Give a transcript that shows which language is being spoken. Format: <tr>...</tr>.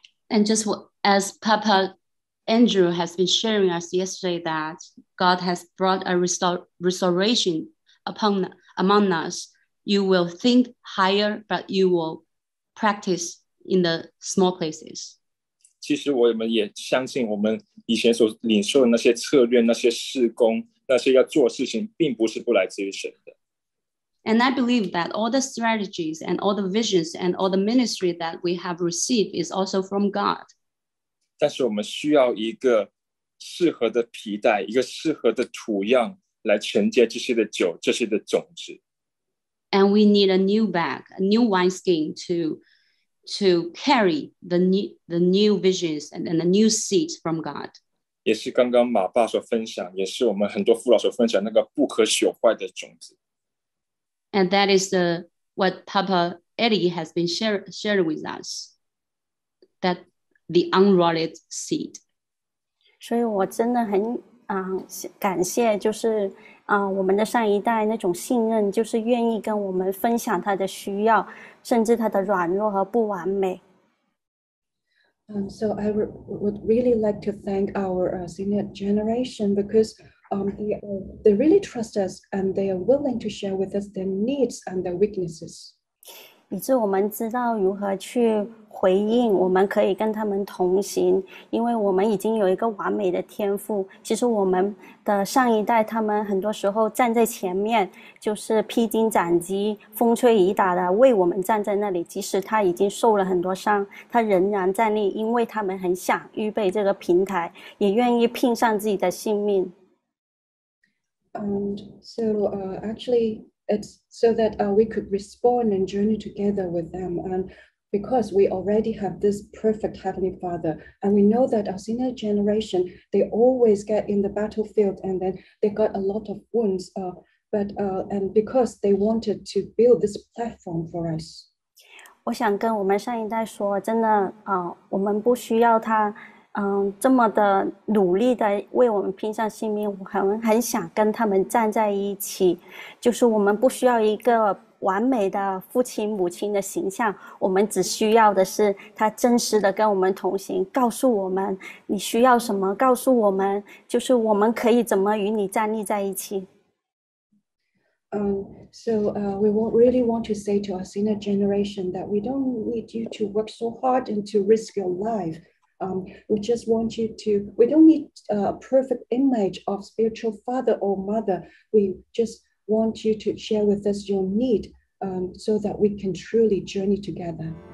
<en>And just as Papa Andrew has been sharing us yesterday, that God has brought a restoration upon among us, you will think higher, but you will practice in the small places.</en> <zh>其实我们也相信，我们以前所领受的那些策略、那些事工、那些要做事情，并不是不来自于神的。</zh> <en>And I believe that all the strategies and all the visions and all the ministry that we have received is also from God.</en> <zh>但是我们需要一个适合的皮带，一个适合的土样来承接这些的酒，这些的种子。</zh> <en>And we need a new bag, a new wineskin to carry the new visions and the new seeds from God.</en> <zh>也是刚刚马爸所分享，也是我们很多父老所分享那个不可朽坏的种子。</zh> <en>And that is what Papa Eddie has been shared with us, that the unrotted seed.</en> <zh>所以我真的很感谢，就是我们的上一代那种信任，就是愿意跟我们分享他的需要，甚至他的软弱和不完美。</zh> <en>So I would really like to thank our senior generation because they really trust us and they are willing to share with us their needs and their weaknesses.</en> <zh>以致我们知道如何去回应，我们可以跟他们同行，因为我们已经有一个完美的天父。其实我们的上一代，他们很多时候站在前面，就是披荆斩棘、风吹雨打的为我们站在那里，即使他已经受了很多伤，他仍然站立，因为他们很想预备这个平台，也愿意拼上自己的性命。</zh> <en>And so actually, it's so that we could respond and journey together with them. And because we already have this perfect Heavenly Father, and we know that our senior generation, they always get in the battlefield and then they got a lot of wounds. And because they wanted to build this platform for us.</en> <zh>我想跟我们上一代说，真的我们不需要他这么的努力的为我们拼上性命，我很想跟他们站在一起，就是我们不需要一个完美的父亲母亲的形象，我们只需要的是他真实的跟我们同行，告诉我们你需要什么，告诉我们就是我们可以怎么与你站立在一起。</zh> <en>We really want to say to our senior generation that we don't need you to work so hard and to risk your lifeWe just want you to, we don't need a perfect image of spiritual father or mother. We just want you to share with us your need so that we can truly journey together.</en>